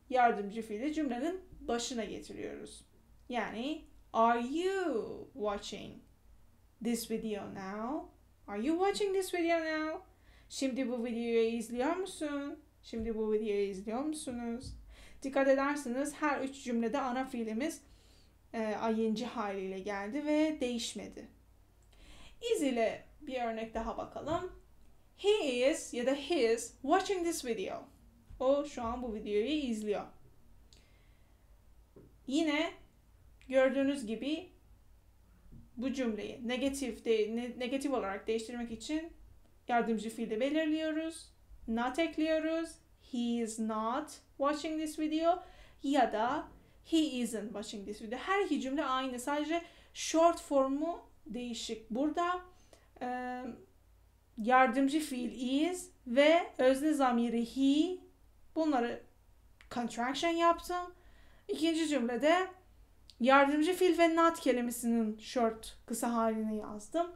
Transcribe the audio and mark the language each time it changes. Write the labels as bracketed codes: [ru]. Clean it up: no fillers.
[tr] Yardımcı fiili cümlenin başına getiriyoruz. Yani [en] are you watching this video now? Are you watching this video now? [tr] Şimdi bu videoyu izliyor musun? Şimdi bu videoyu izliyor musunuz? Dikkat ederseniz her üç cümlede ana fiilimiz ing haliyle geldi ve değişmedi. Is ile bir örnek daha bakalım. [en] He is [tr] ya da [en] his watching this video. [tr] O şu an bu videoyu izliyor. Yine gördüğünüz gibi bu cümleyi negatif olarak değiştirmek için yardımcı fiili belirliyoruz. Not ekliyoruz. [en] He is not watching this video [tr] ya da [en] he isn't watching this video. [tr] Her iki cümle aynı. Sadece short formu değişik. Burada yardımcı fiil is ve özne zamiri he. Bunları contraction yaptım. İkinci cümlede yardımcı fiil ve not kelimesinin short kısa halini yazdım.